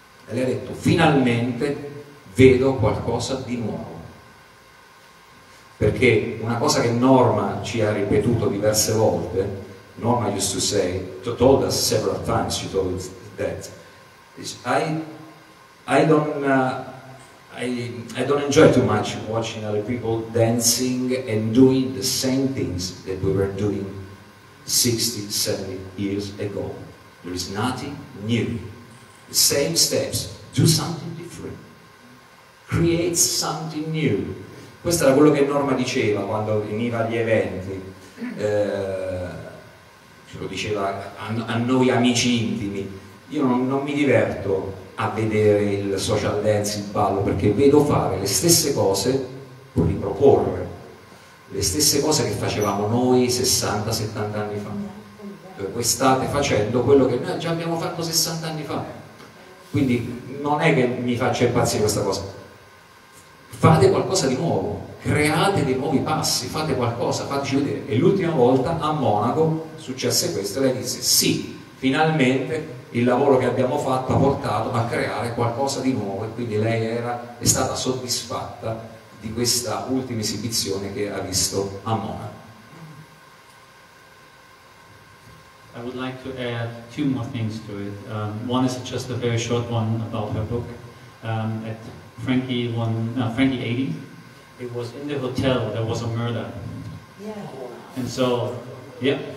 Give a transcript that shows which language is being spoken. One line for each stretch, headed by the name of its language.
Italian: E lei ha detto: finalmente vedo qualcosa di nuovo. Perché una cosa che Norma ci ha ripetuto diverse volte,
English: Norma used to say, told us several times, she told us that, is I don't enjoy too much watching other people dancing and doing the same things that we were doing 60, 70 years ago. There is nothing new. The same steps, do something different, create something new.
Italian: Questo era quello che Norma diceva quando veniva agli eventi, ce lo diceva a noi amici intimi: io non mi diverto a vedere il social dance, il ballo, perché vedo fare le stesse cose, puoi riproporre le stesse cose che facevamo noi 60-70 anni fa. Voi state facendo quello che noi già abbiamo fatto 60 anni fa. Quindi non è che mi faccia impazzire questa cosa. Fate qualcosa di nuovo, create dei nuovi passi, fate qualcosa, fateci vedere. E l'ultima volta a Monaco successe questo, lei disse: sì, finalmente il lavoro che abbiamo fatto ha portato a creare qualcosa di nuovo, e quindi lei è stata soddisfatta di questa ultima esibizione che ha visto a Monaco.
English: I would like to add two more things to it. One is just a very short one about her book. At Frankie 80, it was in the hotel, there was a murder. Yeah. And so, yeah.